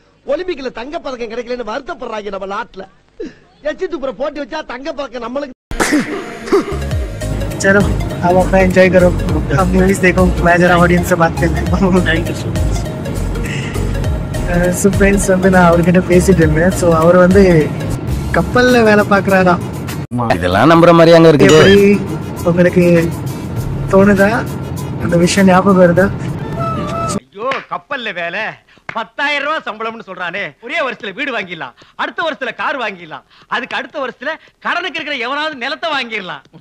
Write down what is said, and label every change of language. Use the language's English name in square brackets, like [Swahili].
[Tamil] ஒலிம்பிக்ல தங்க பதக்கம் கிடைக்கல, வருத்தப்படுறாங்க நம்ம நாட்டுல. எச்சி துப்புற போட்டி வச்சா தங்க பதக்கம் நம்மளுக்கு. [Hindi] चलो, अब अपना एंजॉय करो, अब मूवीज देखो, मैं जरा ऑडियंस से बात करते हैं। [Tamil] फ्रेंड्स வந்து நான் அவர்கிட்ட பேசிட்டு இருந்தேன். சோ அவர் வந்து கப்பல்ல வேலை பாக்குறாரா? இதெல்லாம் நம்புற மாதிரி அங்க இருக்கு. எப்படி உங்களுக்கு தோணுதா, அந்த விஷயம் ஞாபகம் வருதா? ஐயோ, கப்பல்ல வேலை 10,000 ரூபாய் சம்பளம்னு சொல்றானே, ஒரே வருஷத்துல வீடு வாங்கிடலாம், அடுத்த வருஷத்துல கார் வாங்கிடலாம், அதுக்கு அடுத்த வருஷத்துல கடனுக்கு இருக்கிற எவனாவது நிலத்தை வாங்கிடலாம்.